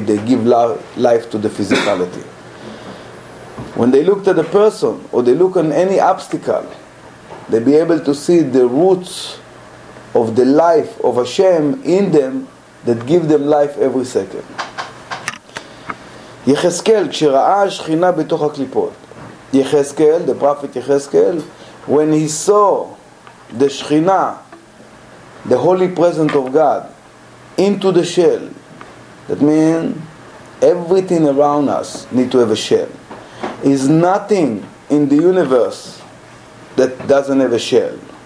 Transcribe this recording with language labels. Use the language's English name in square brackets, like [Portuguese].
[English] They give life to the physicality. When they looked at a person or they look on any obstacle, they be able to see the roots of the life of Hashem in them that give them life every second. [Hebrew] יחזקאל, כשראה השכינה בתוך הקליפות. [English] יחזקאל, the prophet יחזקאל, when he saw the שכינה, the holy presence of God, into the shell, that means everything around us need to have a shell. Is nothing in the universe that doesn't have a shell.